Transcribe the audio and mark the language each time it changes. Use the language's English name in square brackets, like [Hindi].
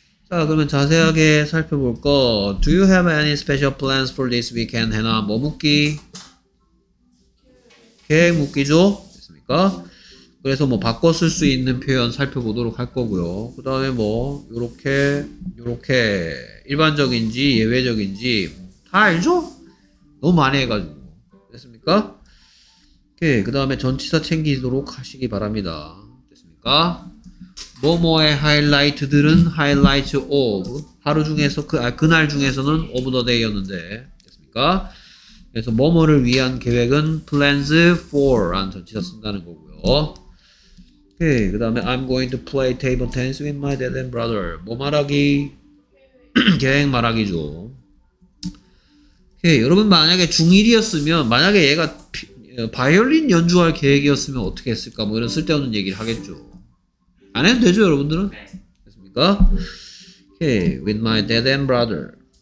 [Korean] 자, 그러면 자세하게 살펴볼 거. [English] Do you have any special plans for this weekend, Hannah? [Korean] 뭐 묻기? 계획 묻기죠? 됐습니까? 그래서 뭐 바꿔 쓸 수 있는 표현 살펴보도록 할 거고요. 그 다음에 뭐 요렇게 요렇게 일반적인지 예외적인지 다 알죠? 너무 많이 해가지고 됐습니까? 오케이, 그 다음에 전치사 챙기도록 하시기 바랍니다. 됐습니까? 뭐뭐의 하이라이트들은 하이라이트 오브 하루 중에서 그날 중에서는 오브 더 데이였는데 됐습니까? 그래서 뭐뭐를 위한 계획은 plans for 라는 전치사 쓴다는 거고요. [English] 오케이, 그 다음에 I'm going to play table tennis with my dad and brother. [Korean] 뭐 말하기? 계획 말하기죠. 오케이, 여러분 만약에 중1이었으면 만약에 얘가 바이올린 연주할 계획이었으면 어떻게 했을까? 뭐 이런 쓸데없는 얘기를 하겠죠. 안 해도 되죠, 여러분들은? 됐습니까? 오케이, [English] with my dad and brother.